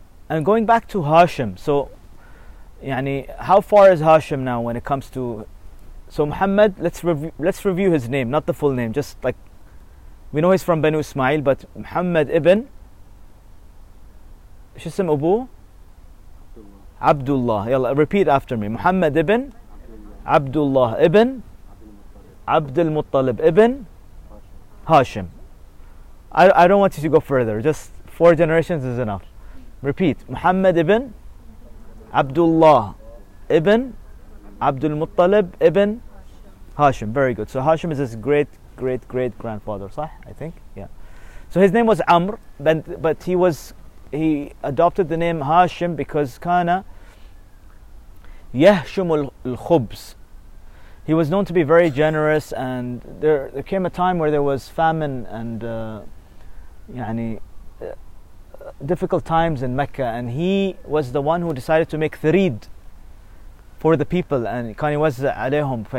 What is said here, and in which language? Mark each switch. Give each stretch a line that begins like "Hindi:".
English: And going back to Hashim, so يعني, how far is Hashim now when it comes to, so Muhammad, let's review his name, not the full name, just like, we know he's from Banu Ismail, but Muhammad ibn,
Arabic: شسم أبو عبد الله.
English: يلا repeat after me.
Arabic: محمد ابن عبد الله ابن عبد المطلب ابن هاشم.
English: I don't want you to go further. Just four generations is enough. Repeat.
Arabic: محمد ابن عبد الله ابن عبد المطلب ابن هاشم.
English: Very good. So هاشم is his great grandfather. صح? I think. Yeah. So his name was Amr, but he was, he adopted the name Hashim because
Arabic: kana yahshum al-khubz.
English: He was known to be very generous, and there came a time where there was famine and difficult times in Mecca, and he was the one who decided to make thrid for the people, and
Arabic: kani was alayhum.